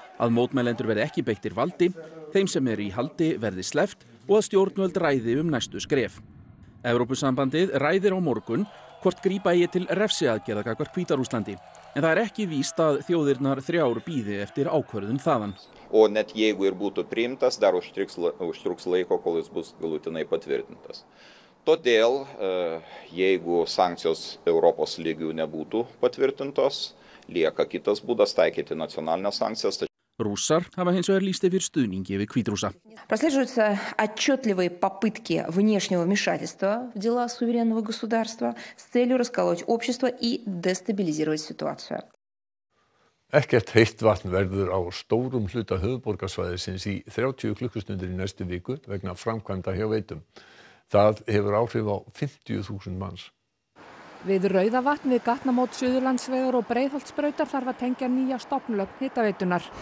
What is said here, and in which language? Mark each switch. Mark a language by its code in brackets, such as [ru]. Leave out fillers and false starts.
[is] Að mótmælendur verði ekki beittir valdi, þeim sem eru í haldi verði sleppt og að stjórnvöld ræði næstu skref. Evrópusambandið ræðir á morgun hvort grípa eigi til refsiaðgerða gagnvart Hvíta-Rússlandi. En það ekki víst að þjóðirnar 3 bíði eftir ákvörðun þaðan. [lt] Og net jeigu ir būtu priimtas, dar užtruks laiko, kol jis bus galutinai patvirtintas. Todėl, jeigu sankcijos Europos lygiu nebūtų patvirtintos, lieka kitas būdas taikyti nacionalines sankcijas. [is] Rússar hafa hins vegar lýst yfir stuðningi við Hvítrússa. [ru] Прослеживаются отчетливые попытки внешнего вмешательства в дела суверенного государства с целью расколоть общество и дестабилизировать ситуацию. [is] Ekkert heitt vatn verður á stórum hluta höfuðborgarsvæðisins í 30 klukkustundir í næstu viku vegna framkvæmda hjá veitum. Það hefur áhrif á 50.000 manns. Við Rauðavatn við gatnamót Suðurlandsvegar og Breiðholtsbrautar þarf að tengja nýja stofnlögn hitaveitunar.